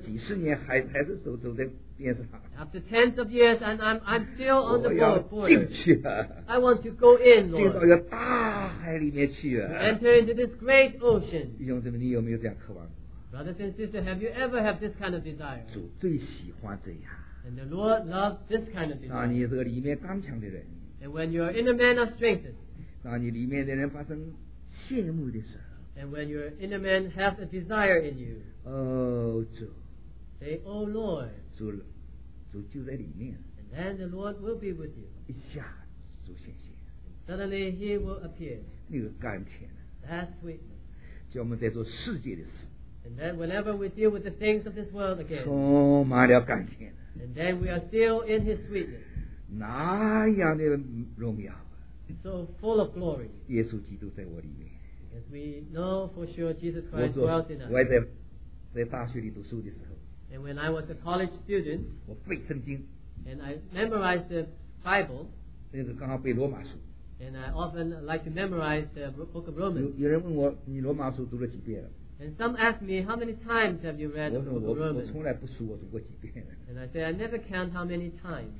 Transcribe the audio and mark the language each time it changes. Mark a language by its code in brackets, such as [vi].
[zh] 我走了那么几十年还是走在边上。 [en] After tens of years, and I'm still on the boat. I want to go in, Lord. To enter into this great ocean. [zh] 弟兄姊妹，你有没有这样渴望？ [en] Brothers and sisters, have you ever had this kind of desire? [zh] 主最喜欢这样。 [en] And the Lord loves this kind of desire. [zh] 让你这个里面刚强的人。 [en] And when your inner man are strengthened. [zh] 让你里面的人发生羡慕的时候。 [en] And when your inner man has a desire in you. [zh] 哦，主。 [en] Say, Oh Lord. [zh] 主就在里面。 [en] And then the Lord will be with you. [zh] 一下主显现。 [en] Suddenly He will appear. [zh] 那个甘甜。 [en] That sweetness. [zh] 叫我们在做世界的事。 [en] And then whenever we deal with the things of this world again, [zh] 充满了感情, [en] and then we are still in His sweetness. [zh] 那样的荣耀, [en] so full of glory. [zh] 耶稣基督在我里面, [en] because we know for sure Jesus Christ dwells in us. [zh] 我在大学里读书的时候, [en] and when I was a college student, [zh] 我背圣经, [en] and I memorized the Bible, [zh] 那是刚好背罗马书, [en] and I often like to memorize the book of Romans. [zh] 有人问我你罗马书读了几遍了, [en] and some ask me, how many times have you read the book of Romans? And I say, I never count how many times.